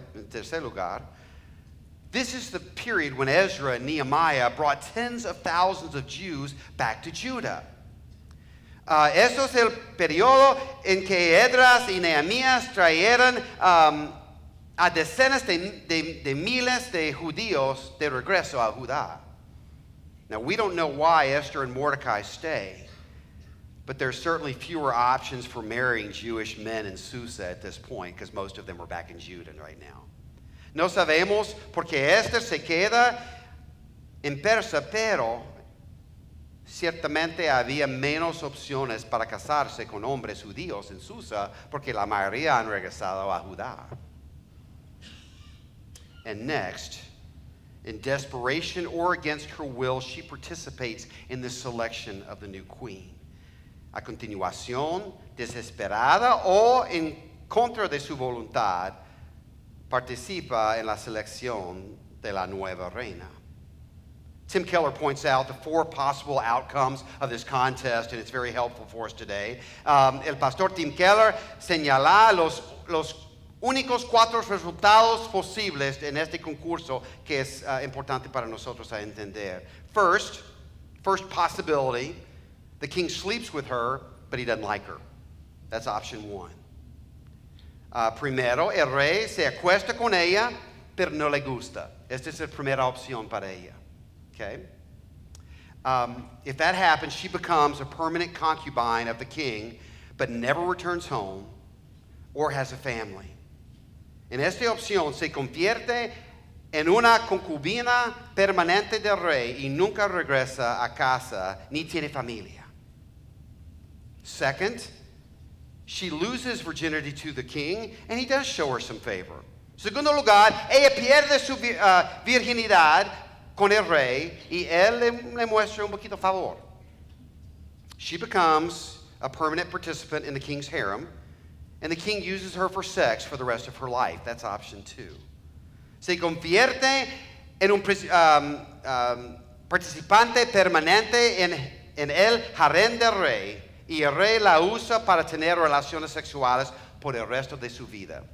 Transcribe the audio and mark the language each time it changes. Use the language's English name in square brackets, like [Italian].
[Spanish] Tercer lugar, [English] this is the period when Ezra and Nehemiah brought tens of thousands of Jews back to Judah. [Spanish] Eso es el periodo en que Edras y Nehemías trajeron a decenas de miles de judíos de regreso a Judá. [English] Now, we don't know why Esther and Mordecai stay, but there's certainly fewer options for marrying Jewish men in Susa at this point, because most of them are back in Judah right now. [Spanish] No sabemos por qué Esther se queda en Persa, pero ciertamente había menos opciones para casarse con hombres judíos en Susa, porque la mayoría han regresado a Judá. [English] And next, in desperation or against her will, she participates in the selection of the new queen. [Spanish] A continuación, desesperada o en contra de su voluntad, participa en la selección de la nueva reina. [English] Tim Keller points out the four possible outcomes of this contest, and it's very helpful for us today. [Spanish] El pastor Tim Keller señala los únicos cuatro resultados posibles en este concurso que es importante para nosotros a entender. [English] First possibility, the king sleeps with her, but he doesn't like her. That's option one. [Spanish] Primero, el rey se acuesta con ella, pero no le gusta. Esta es la primera opción para ella. Okay. [English] If that happens, she becomes a permanent concubine of the king, but never returns home or has a family. [Spanish] En esta opción, se convierte en una concubina permanente del rey y nunca regresa a casa ni tiene familia. [English] Second, she loses virginity to the king, and he does show her some favor. [Spanish] Segundo lugar, ella pierde su virginidad con el rey, y él le muestra un poquito favor. [English] She becomes a permanent participant in the king's harem, and the king uses her for sex for the rest of her life. That's option two. [Spanish] Se convierte en un participante permanente en el harem del rey, y el rey la usa para tener relaciones sexuales por el resto de su vida.